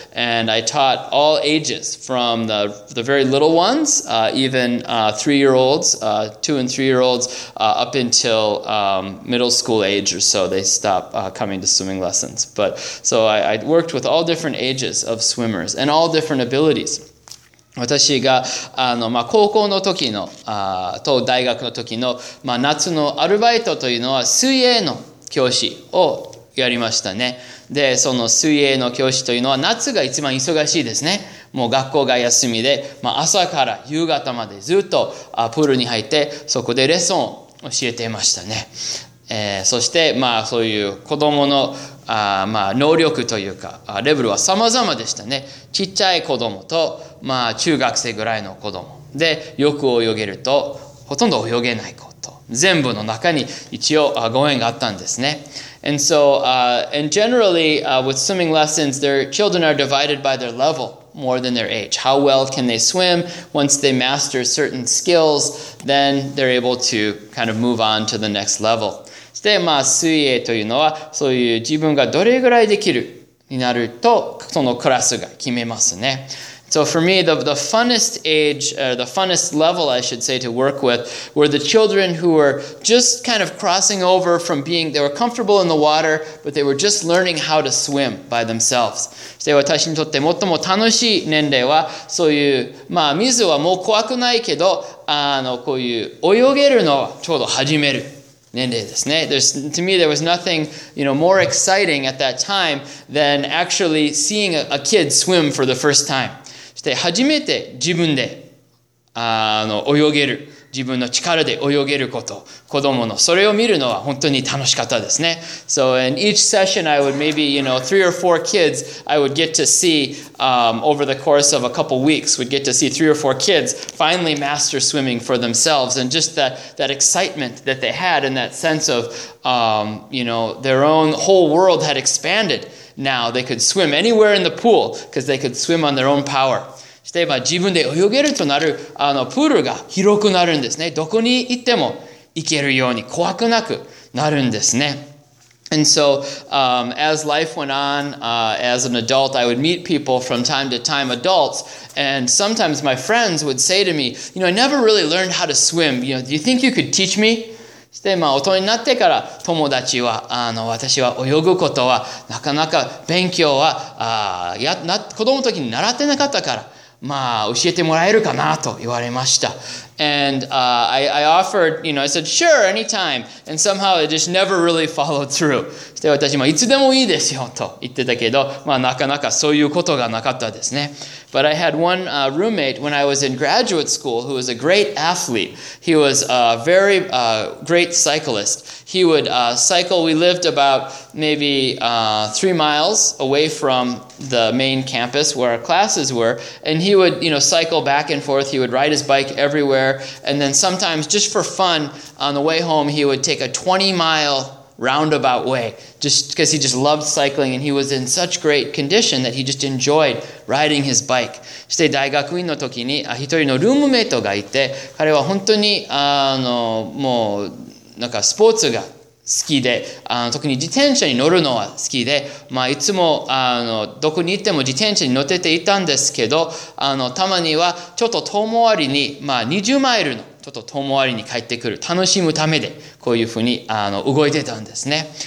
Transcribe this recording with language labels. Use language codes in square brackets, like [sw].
[en] And I taught all ages from the very little ones, even 3-year-olds. 2 and 3 year olds up until middle school age or so, they stop coming to swimming lessons. But so I worked with all different ages of swimmers and all different abilities. [ja] 私が高校の時のと大学の時の夏のアルバイトというのは水泳の教師をやりましたね。で、その水泳の教師というのは夏が一番忙しいですね。もう学校が休みで、まあ、朝から夕方までずっとプールに入ってそこでレッスンを教えていましたね。そしてまあそういう子供の能力というかレベルは様々でしたね。ちっちゃい子供と中学生ぐらいの子供でよく泳げるとほとんど泳げない子と全部の中に一応ご縁があったんですね。 [en] And so, and generally, with swimming lessons, their children are divided by their level more than their age. How well can they swim? Once they master certain skills, then they're able to kind of move on to the next level. [ja] そして、水泳というのは、そういう自分がどれぐらいできるになると、そのクラスが決めますね。 [en] So for me, the funnest age, the funnest level, I should say, to work with were the children who were just kind of crossing over from being, they were comfortable in the water, but they were just learning how to swim by themselves. [ja] そして私にとって最も楽しい年齢は、そういう、まあ水はもう怖くないけど、こういう泳げるのはちょうど始める。年齢ですね。 [en] To me, there was nothing, you know, more exciting at that time than actually seeing a kid swim for the first time. [ja] そして初めて自分で泳げる、自分の力で泳げること、子供のそれを見るのは本当に楽しかったですね。 [en] So in each session, I would maybe, you know, three or four kids I would get to see over the course of a couple weeks, would get to see three or four kids finally master swimming for themselves, and just that excitement that they had and that sense of, you know, their own whole world had expanded. Now they could swim anywhere in the pool because they could swim on their own power. [ja] そして、まあ、自分で泳げるとなるプールが広くなるんですね。どこに行っても行けるように怖くなくなるんですね。 [en] And so, as life went on, as an adult, I would meet people from time to time, adults, and sometimes my friends would say to me, you know, I never really learned how to swim. You know, do you think you could teach me? [ja] そして、まあ、大人になってから友達は、私は泳ぐことはなかなか勉強は、子供の時に習ってなかったから、まあ、教えてもらえるかなと言われました。 [en] And, I offered, you know, I said, sure, anytime. And somehow it just never really followed through. [ja] そして私も、いつでもいいですよと言ってたけど、まあ、なかなかそういうことがなかったですね。 [en] But I had one, roommate when I was in graduate school who was a great athlete. He was a very, great cyclist. He would, cycle. We lived about maybe, 3 miles away from the main campus where our classes were. And he would, you know, cycle back and forth. He would ride his bike everywhere. And then sometimes just for fun on the way home, he would take a 20-mile roundabout way, just because he just loved cycling and he was in such great condition that he just enjoyed riding his bike. [ja] そして大学院の時に一人のルームメイトがいて、彼は本当にもうなんかスポーツが好きで、特に自転車に乗るのは好きで、まあ、いつもどこに行っても自転車に乗ってていたんですけど、たまにはちょっと遠回りに、まあ、20マイルのちょっと遠回りに帰ってくる楽しむためでこういうふうに動いてたんですね。